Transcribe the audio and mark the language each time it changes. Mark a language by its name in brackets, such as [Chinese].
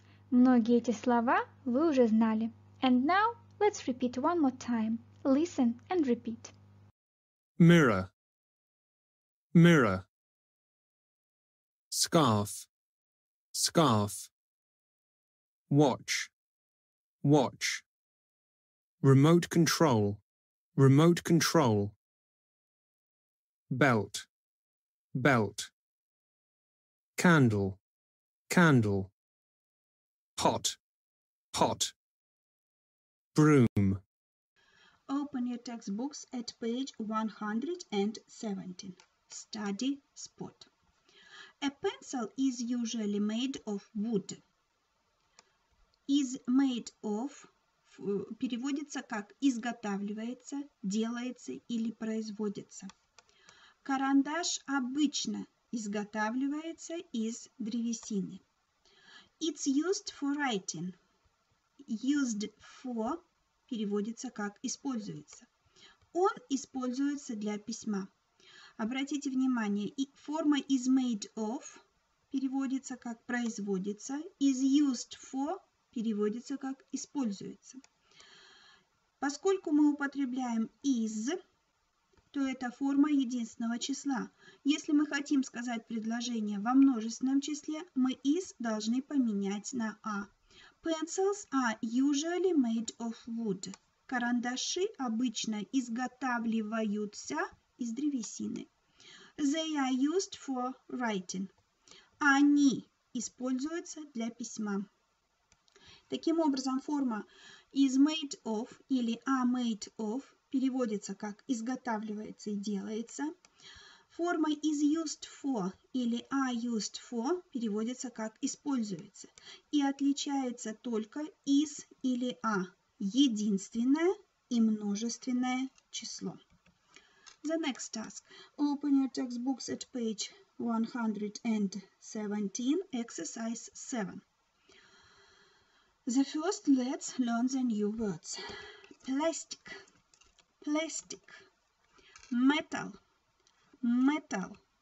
[Russian] Многие эти слова вы уже знали. [English] And now let's repeat one more time. Listen and repeat. Mirror, mirror. Scarf, scarf. Watch, watch. Remote control, remote control. Belt, belt. Candle, candle. Pot, pot. Broom. Open your textbooks at page 117. Study spot. A pencil is usually made of wood. Is made of [Russian] переводится как изготавливается, делается или производится. Карандаш обычно изготавливается из древесины. [English] It's used for writing. Used for [Russian] переводится как используется. Он используется для письма. Обратите внимание, форма [English] is made of [Russian] переводится как производится. [English] Is used for [Russian] переводится как используется. Поскольку мы употребляем is, то это форма единственного числа. Если мы хотим сказать предложение во множественном числе, мы is должны поменять на a. [English] Pencils are usually made of wood. [Russian] Карандаши обычно изготавливаются из древесины. [English] They are used for writing. [Russian] Они используются для письма. Таким образом, форма [English] is made of [Russian] или [English] are made of [Russian] переводится как изготавливается и делается. Форма [English] is used for [Russian] или [English] are used for [Russian] переводится как используется. И отличается только is или are – единственное и множественное число. [English] The next task. Open your textbooks at page 117, exercise 7. The first, let's learn the new words. Plastic, plastic. Metal, metal.